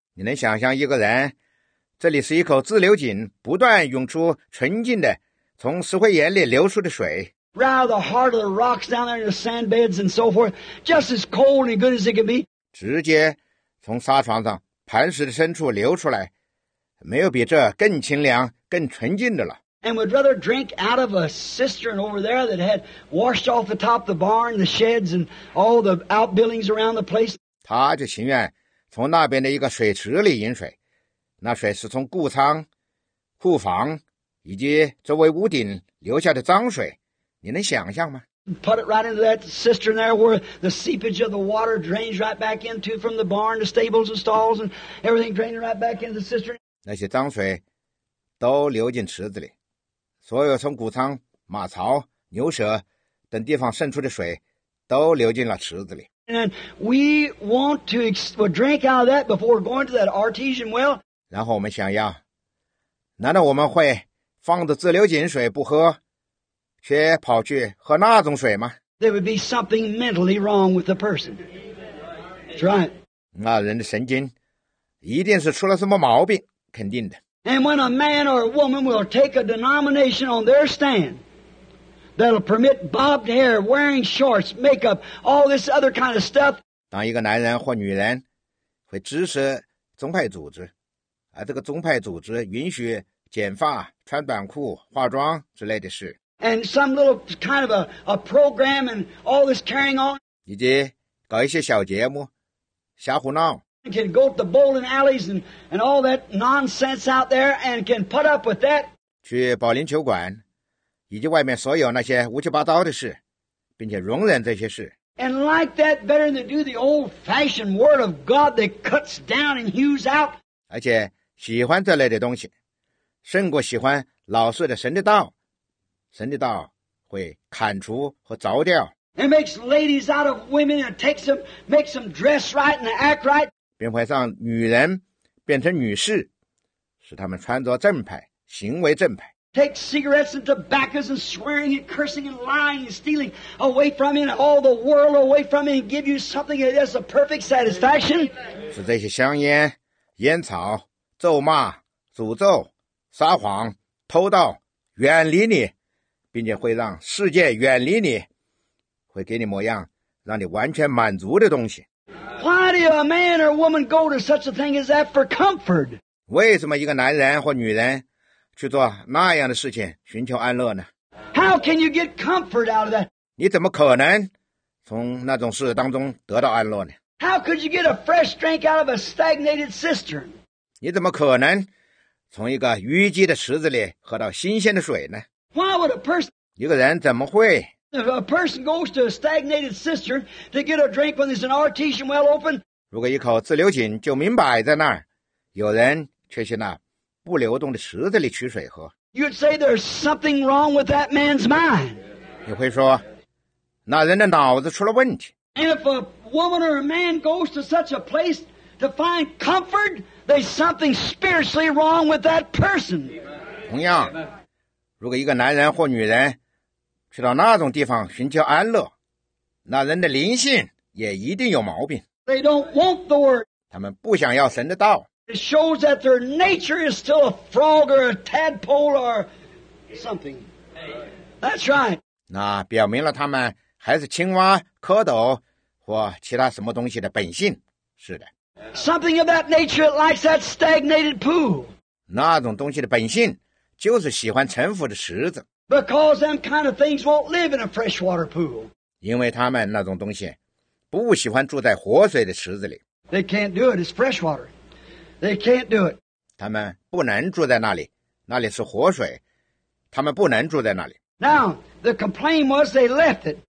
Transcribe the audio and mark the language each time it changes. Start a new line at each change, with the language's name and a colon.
Chinese: 你能想象一个人，这里是一口自流井，不断涌出纯净的，从石灰岩里流出的水。
English: Rather the heart of the rocks down there in the sand beds and so forth, just as cold and good as it can be.
Chinese: 直接从沙床上磐石的深处流出来，没有比这更清凉、更纯净的了。
English: And would rather drink out of a cistern over there that had washed off the top of the barn, the sheds, and all the outbuildings around the place.
Chinese: 他就情愿从那边的一个水池里饮水，那水是从谷仓、库房以及周围屋顶流下的脏水。你能想象吗？
English: Put it right into that cistern there where the seepage of the water drains right back into from the barn, the stables and stalls and everything draining right back into the cistern.
Chinese: 那些脏水都流进池子里，所有从谷仓、马槽、牛舍等地方渗出的水都流进了池子里。
English: And we want to drink out of that before going to that artesian well.
Chinese: 然后我们想要，难道我们会放着自流井水不喝？却跑去喝那种水吗？
English: There would be something mentally wrong with the person. That's right.
Chinese: 那人的神经一定是出了什么毛病，肯定的。
English: And when a man or a woman will take a denomination on their stand that'll permit bobbed hair, wearing shorts, makeup, all this other kind of stuff.
Chinese: 当一个男人或女人会支持宗派组织，而这个宗派组织允许剪发、穿短裤、化妆之类的事。
English: And some little kind of a program and all this carrying on.
Chinese: 以及搞一些小节目，瞎胡闹。
English: Can go to the bowling alleys and all that nonsense out there and can put up with that.
Chinese: 去保龄球馆，以及外面所有那些乌七八糟的事，并且容忍这些事。
English: And like that better than do the old-fashioned word of God that cuts down and hews out.
Chinese: 而且喜欢这类的东西，胜过喜欢老式的神的道。神的道会砍除和凿掉。
English: It makes ladies out of women and takes them, makes them dress right and act right.
Chinese: 并会让女人变成女士，使她们穿着正派，行为正派。
English: Take cigarettes and tobaccos and swearing and cursing and lying and stealing away from you and all the world away from you and give you something that is a perfect satisfaction.
Chinese: 使这些香烟、烟草、咒骂、诅咒、撒谎、偷盗远离你。并且会让世界远离你，会给你模样，让你完全满足的东西。
English: Why do a man or woman go to such a thing as that for comfort?
Chinese: 为什么一个男人或女人去做那样的事情，寻求安乐呢？
English: How can you get comfort out of that?
Chinese: 你怎么可能从那种事当中得到安乐呢？
English: How could you get a fresh drink out of a stagnated cistern?
Chinese: 你怎么可能从一个淤积的池子里喝到新鲜的水呢？
English: Why would a person?
Chinese: 一个人怎么会
English: ？If a person goes to a stagnated cistern to get a drink when there's an artesian well open,
Chinese: 如果一口自流井就明摆在那儿，有人却去那不流动的池子里取水喝
English: ，You'd say there's something wrong with that man's mind.
Chinese: 你会说，那人的脑子出了问题。
English: And if a woman or a man goes to such a place to find comfort, there's something spiritually wrong with that person.
Chinese: 同样。如果一个男人或女人去到那种地方寻求安乐，那人的灵性也一定有毛病。
English: They don't want the word.
Chinese: 他们不想要神的道。
English: It shows that their nature is still a frog or a tadpole or something. That's right.
Chinese: 那表明了他们还是青蛙、蝌蚪、或其他什么东西的本性。是的。
English: Something of that nature likes that stagnated pool.
Chinese: 那种东西的本性就是喜欢沉浮的池子。
English: Because them kind of things won't live in a freshwater pool.
Chinese: 因为他们那种东西不喜欢住在活水的池子里。
English: They can't do it. It's freshwater. They can't do it.
Chinese: 他们不能住在那里，那里是活水，他们不能住在那里。
English: Now, the complaint was they left it.